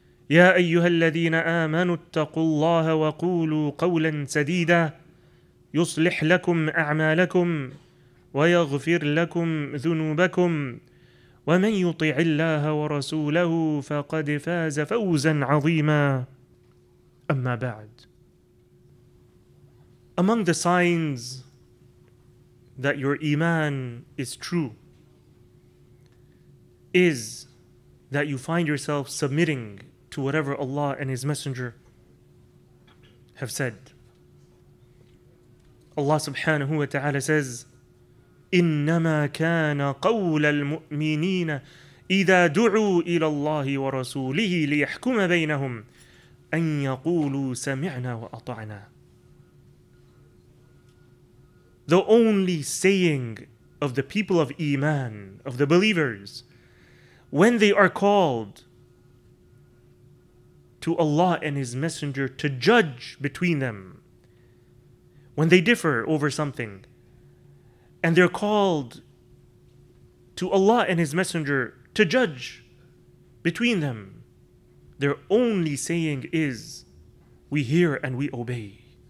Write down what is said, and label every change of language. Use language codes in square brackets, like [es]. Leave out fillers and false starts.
[ar] يا أيها الذين آمنوا اتقوا الله وقولوا قولا سديدا يصلح لكم أعمالكم ويغفر لكم ذنوبكم ومن يطع الله ورسوله فقد فاز فوزا عظيما أما بعد. [en] Among the signs that your iman is true is that you find yourself submitting to whatever Allah and His Messenger have said. [ar] Allah subhanahu wa ta'ala says, إنما كان قول المؤمنين إذا دعوا إلى الله ورسوله ليحكم بينهم أن يقولوا سمعنا وأطعنا. [en] The only saying of the people of Iman, of the believers, when they are called to Allah and His Messenger to judge between them, when they differ over something, and they're called to Allah and His Messenger to judge between them, their only saying is, we hear and we obey.